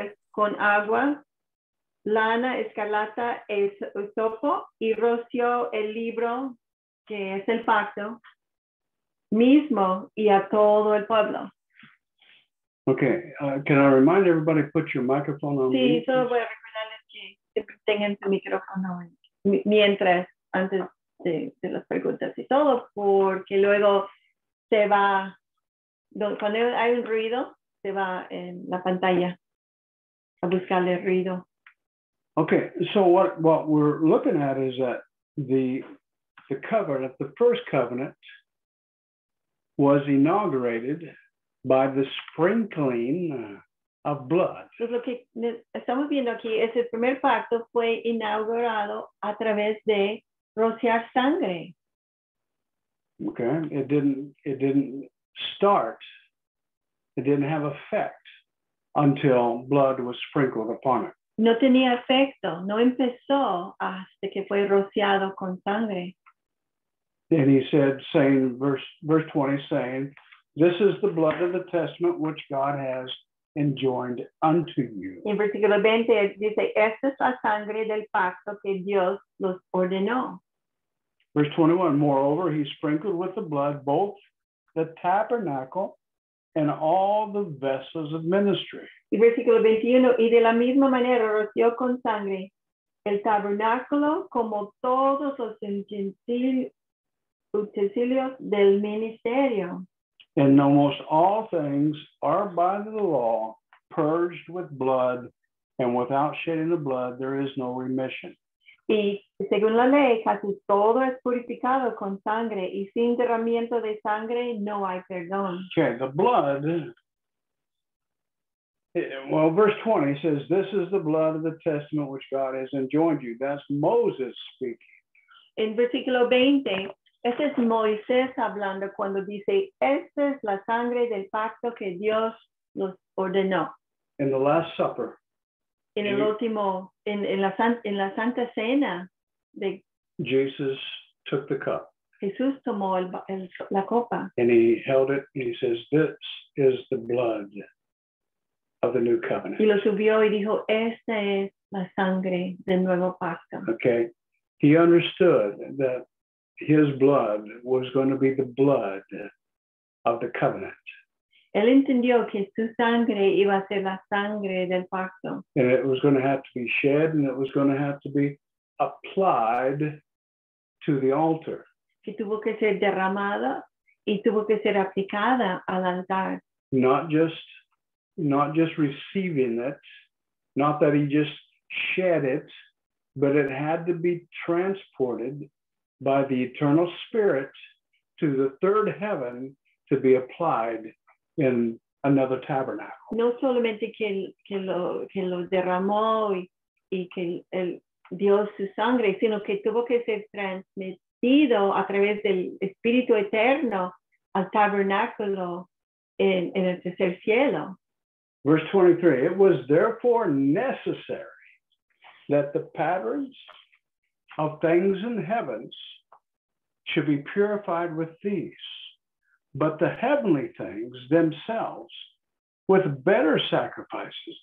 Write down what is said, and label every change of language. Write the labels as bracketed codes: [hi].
[es] con agua, lana escarlata, esopo, y roció el libro que es el pacto mismo y a todo el pueblo. [en] Okay, can I remind everybody to put your microphone on? [es] Sí, [en] mute, [es] solo voy a recordarles que tengan su micrófono mientras, antes de las preguntas y todo, porque luego se va, cuando hay un ruido, se va en la pantalla a buscarle el ruido. [en] Okay, so what we're looking at is that the covenant, the first covenant, was inaugurated by the sprinkling of blood. [es] Entonces, lo que estamos viendo aquí es el primer pacto fue inaugurado a través de rociar sangre. [en] Okay, it didn't have effect until blood was sprinkled upon it. [es] No tenía efecto, no empezó hasta que fue rociado con sangre. [en] And he said, saying, verse 20, saying, this is the blood of the testament which God has enjoined unto you. [es] En versículo 20, dice, esta es la sangre del pacto que Dios los ordenó. [en] Verse 21, moreover, he sprinkled with the blood both the tabernacle and all the vessels of ministry. [es] En versículo 21, y de la misma manera roció con sangre el tabernáculo como todos los utensilios. Utensilios del ministerio. [en] And almost all things are by the law purged with blood, and without shedding of blood there is no remission. [es] Y según la ley, casi todo es purificado con sangre, y sin derramamiento de sangre no hay perdón. [en] Okay, the blood. Well, verse 20 says, this is the blood of the testament which God has enjoined you. That's Moses speaking. [es] In versículo 20, Este es Moisés hablando cuando dice, esta es la sangre del pacto que Dios nos ordenó. [en] In the Last Supper. [es] En el último, en la Santa Cena. De, [en] Jesus took the cup. [es] Jesús tomó la copa. [en] And he held it and he says, this is the blood of the new covenant. [es] Y lo subió y dijo, esta es la sangre del nuevo pacto. [en] Okay. He understood that his blood was going to be the blood of the covenant. [es] Él entendió que su sangre iba a ser la sangre del pacto. [en] And it was going to have to be shed and it was going to have to be applied to the altar. [es] Que tuvo que ser derramada y tuvo que ser aplicada al altar. [en] Not just receiving it, not that he just shed it, but it had to be transported by the eternal spirit to the third heaven to be applied in another tabernacle. [es] No solamente que lo derramó y que él dio su sangre, sino que tuvo que ser transmitido a través del espíritu eterno al tabernáculo en el tercer cielo. [en] Verse 23, it was therefore necessary that the patterns of things in heavens should be purified with these, but the heavenly things themselves with better sacrifices.